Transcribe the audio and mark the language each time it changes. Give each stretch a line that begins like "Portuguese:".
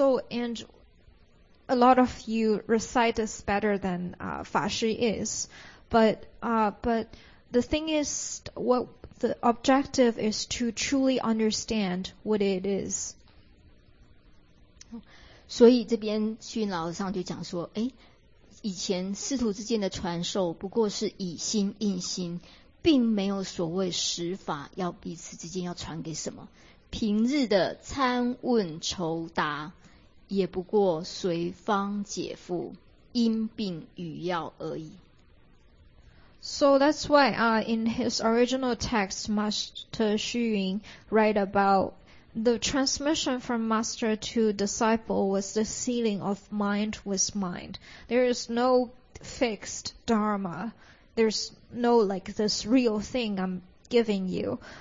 English: And a lot of you recite this better than Fashi is, but the thing is, what the objective is to truly understand what it is.
Chinese: 所以这边虚云老和尚就讲说，诶，以前师徒之间的传授不过是以心印心，并没有所谓实法要彼此之间要传给什么，平日的参问酬答也不过随方解缚因病与药而已。
English: So that's why in his original text, Master Xu Yun write about The transmission from master to disciple was the sealing of mind with mind. There is no fixed dharma. There's no like this real thing I'm giving you.